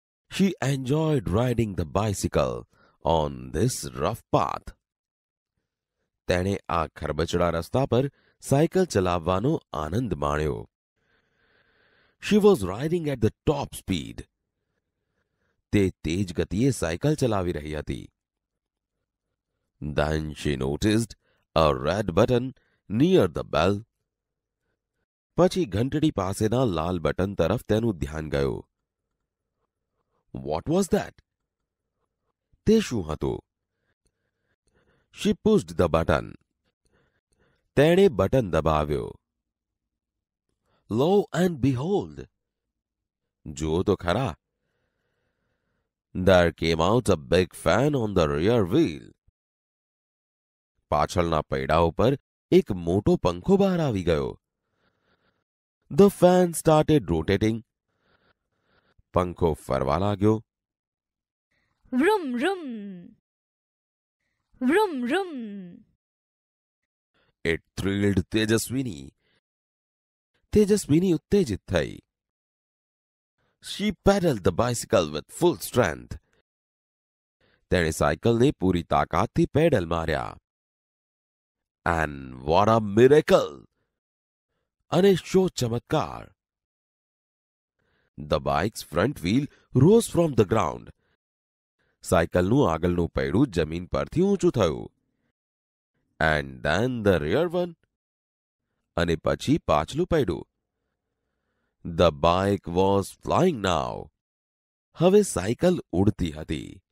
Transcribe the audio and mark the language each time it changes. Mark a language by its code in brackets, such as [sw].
[en] She enjoyed riding the bicycle on this rough path. [gu] તેણે આ ખરબચડા રસ્તા પર સાયકલ ચલાવવાનો આનંદ માણ્યો. [en] She was riding at the top speed. [gu] તે તેજ ગતિએ સાયકલ ચલાવી રહી હતી. [en] Then she noticed a red button near the bell. [gu] પછી ઘંટડી પાસેના લાલ બટન તરફ તેનું ધ્યાન ગયું. [en] What was that. [gu] તે શું હતું? [en] She pushed the button. [gu] તેણે બટન દબાવ્યો. [en] Lo and behold. [gu] જુઓ તો ખરા. [en] There came out a big fan on the rear wheel. [gu] પાછળના પૈડા ઉપર એક મોટો પંખો બહાર આવી ગયો. [en] The fan started rotating. [gu] પંખો ફરવા લાગ્યો. Vroom vroom. Vroom vroom. [en] It thrilled Tejaswini. [gu] Tejaswini uttejit thai. [en] She pedaled the bicycle with full strength. [gu] Tene cycle ne puri taakat thi pedal marya. [en] And what a miracle! [gu] Ane sho chamatkar. [en] The bike's front wheel rose from the ground. [gu] સાયકલનું આગળનું પૈડું જમીન પરથી ઊંચું થયું. [en] And then the rear one. [gu] અને પછી પાછલું પૈડું. [en] The bike was flying now. [gu] હવે cycle ઉડતી હતી.